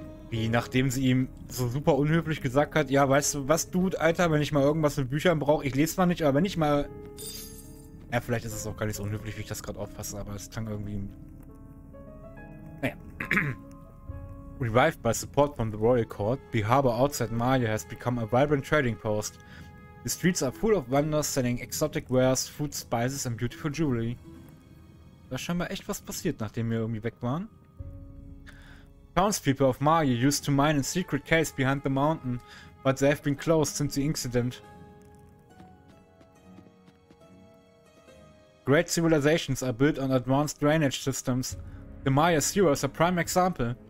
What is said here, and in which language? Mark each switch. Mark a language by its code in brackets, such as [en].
[de] Wie, nachdem sie ihm so super unhöflich gesagt hat, ja, weißt du was, Dude, Alter, wenn ich mal irgendwas mit Büchern brauche, ich lese zwar nicht, aber wenn ich mal... Ja, vielleicht ist es auch gar nicht so unhöflich, wie ich das gerade auffasse, aber es klang irgendwie... Naja. [en] Revived by support from the Royal Court, the harbor outside Maya has become a vibrant trading post. The streets are full of vendors selling exotic wares, food, spices and beautiful jewelry. [de] Da ist scheinbar echt was passiert, nachdem wir irgendwie weg waren. [en] Townspeople of Maya used to mine in secret caves behind the mountain, but they have been closed since the incident. Great civilizations are built on advanced drainage systems. The Maya sewer is a prime example.